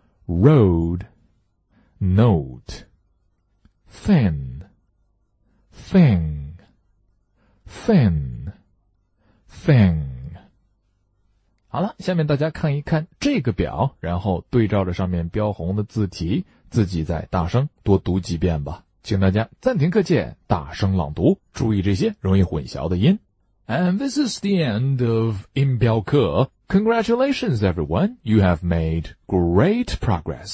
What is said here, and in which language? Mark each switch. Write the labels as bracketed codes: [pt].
[en] Road, note, thin, thing, thin, thing. [zh] 好了，下面大家看一看这个表，然后对照着上面标红的字体，自己再大声多读几遍吧。请大家暂停课件，大声朗读，注意这些容易混淆的音。 [en] And this is the end of 音标课。Congratulations, everyone. You have made great progress.